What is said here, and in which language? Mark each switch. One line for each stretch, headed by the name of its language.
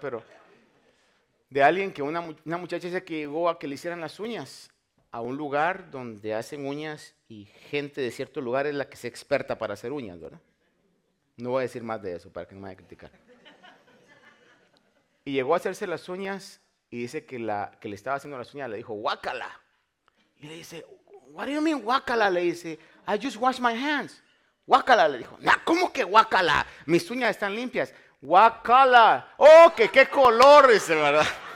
Spanish: Pero de alguien que una muchacha dice que llegó a que le hicieran las uñas a un lugar donde hacen uñas y gente de cierto lugar es la que se experta para hacer uñas, ¿verdad? No voy a decir más de eso para que no me vaya a criticar. Y llegó a hacerse las uñas y dice que la que le estaba haciendo las uñas le dijo, guácala. Y le dice,
English: what do you mean guácala?
Spanish: Le dice,
English: I just wash my hands.
Spanish: Guácala, le dijo. Nah, ¿cómo que guácala? Mis uñas están limpias. Guácala. Oh, que qué color, dice, ¿verdad?